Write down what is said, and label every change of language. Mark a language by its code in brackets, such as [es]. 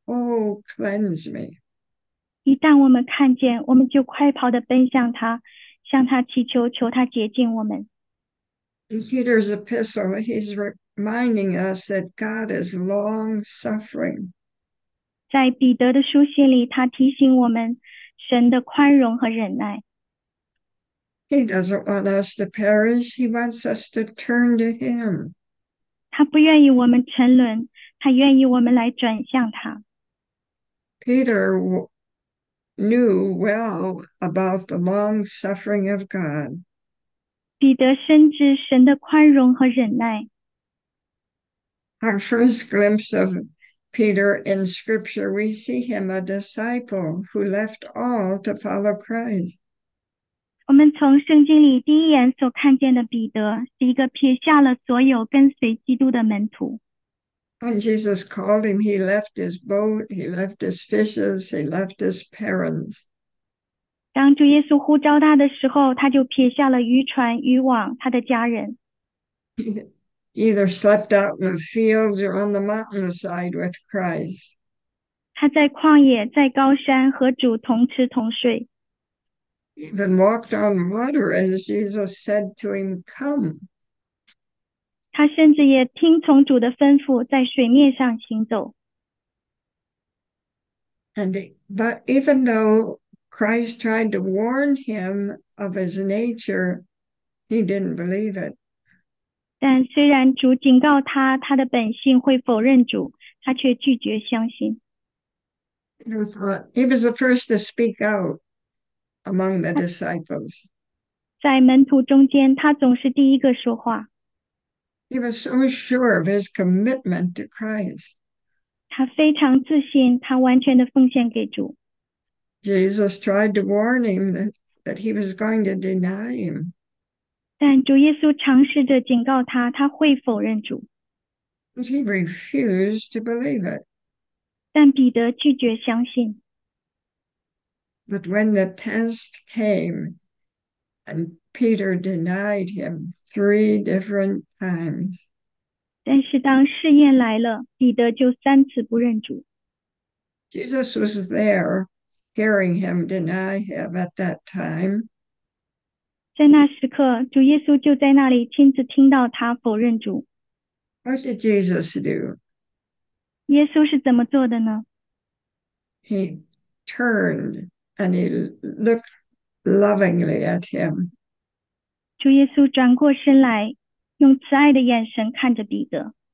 [en] Oh, cleanse me. [zh] 一旦我们看见，我们就快跑地奔向他，向他祈求，求他洁净我们。 [en] In Peter's epistle, he's reminding us that God is long-suffering. [zh] 在彼得的书信里，他提醒我们神的宽容和忍耐。 [en] He doesn't want us to perish. He wants us to turn to him. [zh] 他不愿意我们沉沦，他愿意我们来转向他。 [en] Peter w knew well about the long-suffering of God. [zh] 彼得深知神的宽容和忍耐。 [en] Our first glimpse of Peter in Scripture, we see him a disciple who left all to follow Christ. [zh] 我们从圣经里第一眼所看见的彼得，是一个撇下了所有跟随基督的门徒。 [en] When Jesus called him, he left his boat, he left his fishes, he left his parents. [zh] 当主耶稣呼召他的时候，他就撇下了渔船、渔网，他的家人。 [en] He either slept out in the fields or on the mountainside with Christ. [zh] 他在旷野，在高山，和主同吃同睡。 [en] He even walked on water, and Jesus said to him, Come. [zh] 他甚至也听从主的吩咐，在水面上行走。 [en] But even though Christ tried to warn him of his nature, he didn't believe it. [zh] 但虽然主警告他，他的本性会否认主，他却拒绝相信。 [en] He was the first to speak out among the disciples. [zh] 在门徒中间，他总是第一个说话。 [en] He was so sure of his commitment to Christ. [zh] 他非常自信，他完全的奉献给主。 [en] Jesus tried to warn him that he was going to deny him. [zh] 但主耶稣尝试着警告他，他会否认主。 [en] But he refused to believe it. [zh] 但彼得拒绝相信。 [en] But when the test came, and Peter denied him 3 different times, [zh] 但是当试验来了，彼得就三次不认主。 [en] Jesus was there. Hearing him deny him at that time. [zh] 在那时刻，主耶稣就在那里亲自听到他否认主。 [en] What did Jesus do? [zh] 耶稣是怎么做的呢？ [en] He turned and he looked lovingly at him. [zh] 主耶稣转过身来，用慈爱的眼神看着彼得。